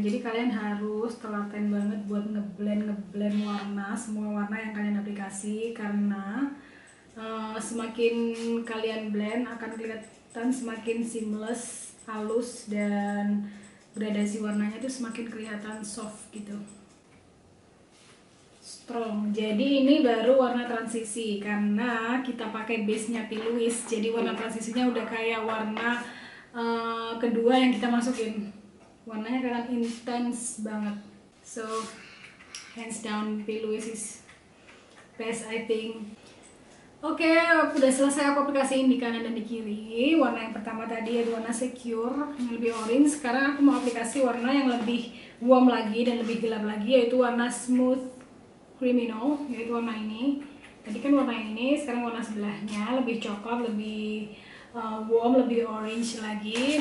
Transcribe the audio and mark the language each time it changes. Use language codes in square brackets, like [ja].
[id] Jadi kalian harus telaten banget buat ngeblend warna, semua warna yang kalian aplikasi, karena semakin kalian blend akan kelihatan semakin seamless, halus, dan gradasi warnanya itu semakin kelihatan soft gitu. [en] Strong. [id] Jadi ini baru warna transisi karena kita pakai base-nya Piluis. Jadi warna transisinya udah kayak warna kedua yang kita masukin. Warnanya kelihatan intense banget. [en] So hands down Piluis is best I think. [id] Oke, okay, udah selesai aku aplikasiin di kanan dan di kiri. Warna yang pertama tadi adalah warna Secure yang lebih orange. Sekarang aku mau aplikasi warna yang lebih warm lagi dan lebih gelap lagi, yaitu warna Smooth Criminal, yaitu warna ini. Tadi kan warna ini, sekarang warna sebelahnya lebih coklat, lebih warm, lebih orange lagi.